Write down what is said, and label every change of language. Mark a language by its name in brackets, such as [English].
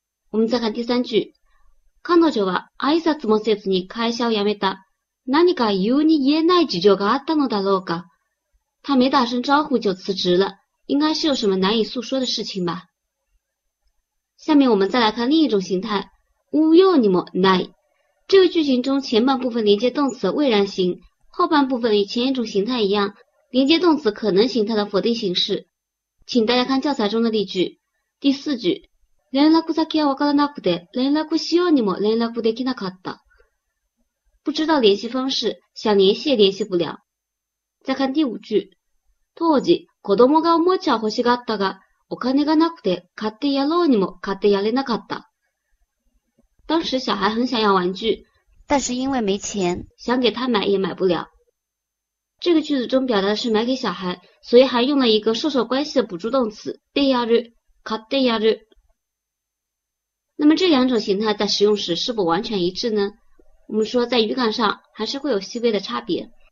[Chinese] 我们再看第三句， [Japanese] 彼女は挨拶もせずに会社を辞めた，何か言うに言えない事情があったのだろうか， [Chinese] 他没打声招呼就辞职了，应该是有什么难以诉说的事情吧。下面我们再来看另一种形态，無用にもない，这个句型中前半部分连接动词未然形，后半部分与前一种形态一样，连接动词可能形态的否定形式。请大家看教材中的例句。第四句， [Japanese] 連絡先はわからなくて連絡しようにも連絡できなかった， [Chinese] 不知道联系方式，想联系也联系不了。再看第五句， [Japanese] 当時子供がおもちゃ欲しがったがお金がなくて買ってやろうにも買ってやれなかった， [Chinese] 当时小孩很想要玩具，但是因为没钱想给他买也买不了。这个句子中表达的是买给小孩，所以还用了一个授受关系的补助动词でやる、買ってやる。那么这两种形态在使用时是否完全一致呢？我们说在语感上还是会有细微的差别。